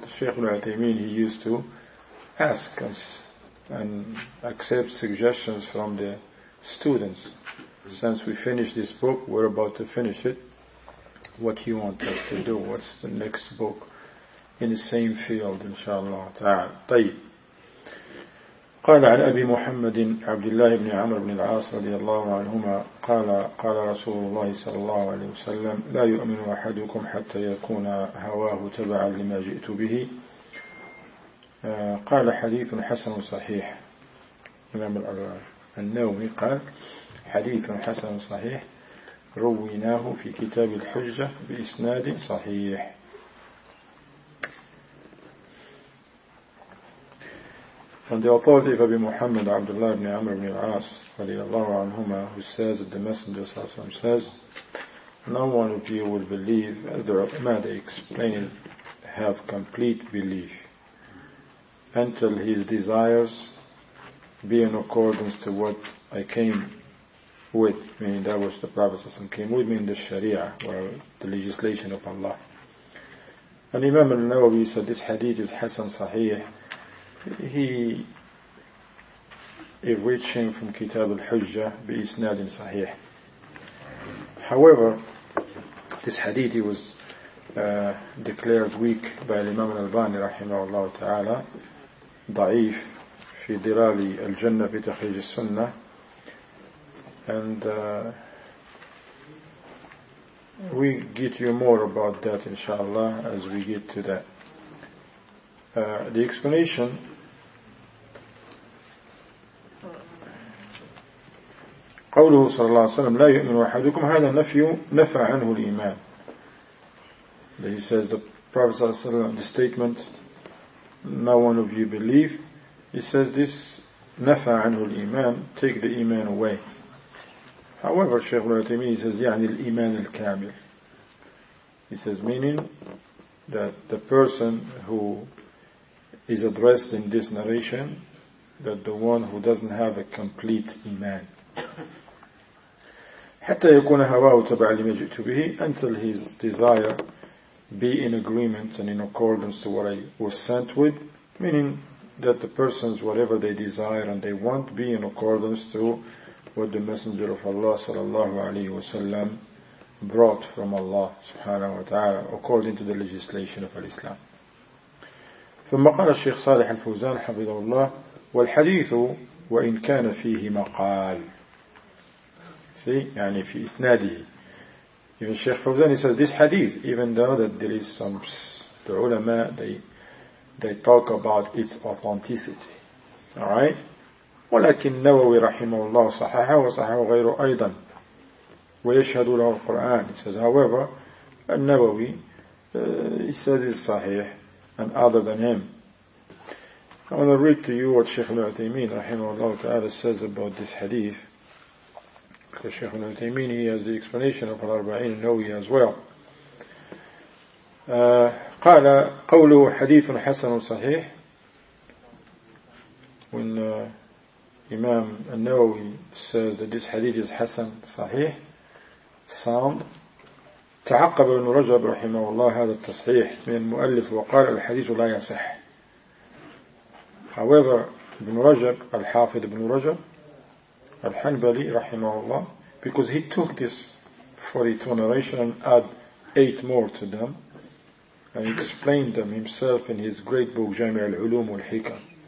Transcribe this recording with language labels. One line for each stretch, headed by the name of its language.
English: The Shaykh Ibn Uthaymeen, he used to ask us and accept suggestions from the students. Since we finished this book, we're about to finish it, what you want us to do, what's the next book in the same field, inshallah ta'ala.
Arabic: طيب. قال عن أبي محمد عبد الله بن عمرو بن العاص رضي الله عنهما قال رسول الله صلى الله عليه وسلم لا يؤمن أحدكم حتى يكون هواه تبعا لما جئت به. قال حديث حسن صحيح. إمام النووي قال حديث حسن صحيح رويناه في كتاب الحجة بإسناد صحيح.
English: On the authority of Abu Muhammad Abdullah ibn Amr ibn al-As, radiallahu anhuma, who says that the Messenger says, no one of you will believe as the Ramadi explained, have complete belief until his desires be in accordance to what I came with, meaning that was the Prophet came with, meaning the Sharia, or the legislation of Allah. And Imam al-Nawawi said this hadith is Hasan Sahih. He is reaching from Kitab al-Hujjah bi isnad sahih. However, this hadith was declared weak by Imam al-Albani rahimahullah ta'ala, da'if fi dirali al-Jannah fi takhrij al-Sunnah, and we get you more about that inshallah as we get to that. The explanation
Arabic: قوله صلى الله عليه وسلم لا يؤمن أحدكم هذا نفي نفى عنه الإيمان.
English: He says the Prophet صلى الله عليه وسلم, the statement no one of you believe, he says this
Arabic: نفى عنه الإيمان,
English: take the إيمان away. However, Shaykh Al-Uthaymeen says
Arabic: يعني الإيمان الكامل.
English: He says meaning that the person who is addressed in this narration, that the one who doesn't have a complete إيمان.
Arabic: حتى يكون هواه تبع لما جئت به,
English: until his desire be in agreement and in accordance to what I was sent with, meaning that the persons, whatever they desire and they want, be in accordance to what the Messenger of Allah sallallahu alayhi wa sallam brought from Allah subhanahu wa ta'ala according to the legislation of Islam.
Arabic: ثم قال الشيخ صالح الفوزان حفظه الله والحديث وإن كان فيه مقال. See, يعني في إسناده.
English: Even Sheikh Fawzan, he says this hadith, even though that there is some, the ulama, they talk about its authenticity. Alright?
Arabic: ولكن نووي رحمه الله صححه وصححه غيره أيضا ويشهد له القرآن.
English: He says, however,
Arabic: النووي,
English: he says it's sahih, and other than him. I want to read to you what Shaykh al-Uthaymeen rahimahullah ta'ala says about this hadith. Because Shaykh al-Uthaymeen, he has the explanation of al-Arba'in, and Nawawi as well.
Arabic: قال قوله حديث حسن صحيح.
English: When Imam al-Nawawi says that this hadith is Hassan, صحيح, sound,
Arabic: تعقب ابن رجب رحمه الله هذا التصحيح من المؤلف وقال الحديث لا يصح.
English: However, ابن رجب, الحافظ ابن رجب, الحنبلي رحمه الله, because he took this 42 narration and add 8 more to them, and explained them himself in his great book, Jami' al-Ulum wal-Hikam.